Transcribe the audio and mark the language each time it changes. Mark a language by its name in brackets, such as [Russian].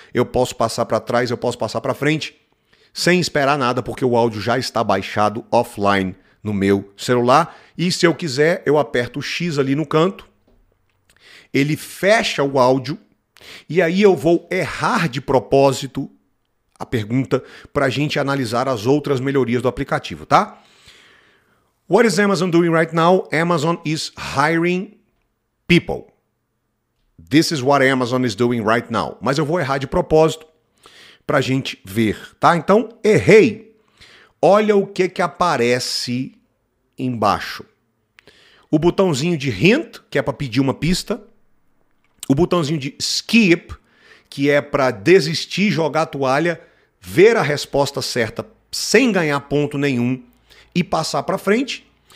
[Portuguese] Eu posso passar para trás, eu posso passar para frente, sem esperar nada, porque o áudio já está baixado offline no meu celular. E se eu quiser, eu aperto o X ali no canto. Ele fecha o áudio. E aí eu vou errar de propósito a pergunta para a gente analisar as outras melhorias do aplicativo, tá? [English] What is Amazon doing right now? Amazon is hiring people, this is what Amazon is doing right now. [Portuguese] Mas eu vou errar de propósito para a gente ver, tá? Então, errei. Olha o que que aparece embaixo. O botãozinho de hint, que é para pedir uma pista. O botãozinho de skip, que é para desistir, jogar a toalha, ver a resposta certa sem ganhar ponto nenhum e passar para frente.